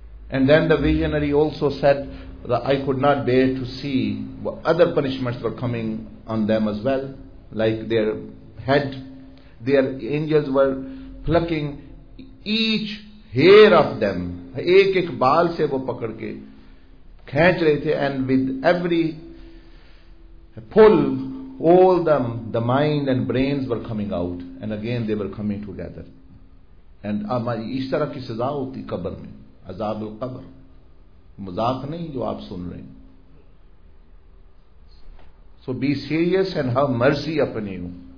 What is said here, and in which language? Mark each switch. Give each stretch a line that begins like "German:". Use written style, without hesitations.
English: And then the visionary also said that I could not bear to see what other punishments were coming on them as well, like their head, their angels were plucking each hair of them,
Urdu: ek ek baal se wo pakad ke khench rahe the,
English: and with every pull all them, the mind and brains were coming out, and again they were coming together.
Urdu: And is tarah ki saza hoti kabar mein, عذاب القبر, مزاق نہیں جو آپ سن رہے ہیں.
English: So be serious and have mercy upon you.